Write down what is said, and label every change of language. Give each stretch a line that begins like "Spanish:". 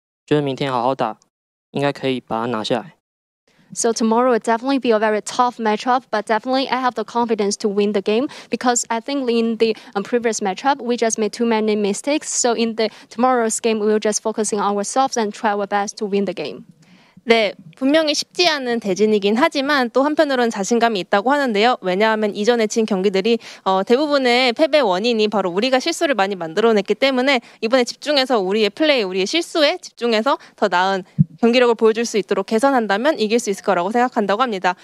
Chinese: 明天会是一场艰难的对决，但我觉得我们最后还是会赢的，因为我们上一次是我们自己太多失误了，觉得明天好好打，应该可以把它拿下来。
English: So tomorrow is definitely be a very tough matchup, but definitely I have the confidence to win the game because I think in the previous matchup we just made too many mistakes. So in the tomorrow's game, we'll just focusing on ourselves and try our best to win the game.
Korean: 네, 분명히 쉽지 않은 대진이긴 하지만 또 한편으로는 자신감이 있다고 하는데요. 왜냐하면 이전에 친 경기들이 대부분의 패배 원인이 바로 우리가 실수를 많이 만들어냈기 때문에 이번에 집중해서 우리의 플레이, 우리의 실수에 집중해서 더 나은 경기력을 보여줄 수 있도록 개선한다면 이길 수 있을 거라고 생각한다고 합니다.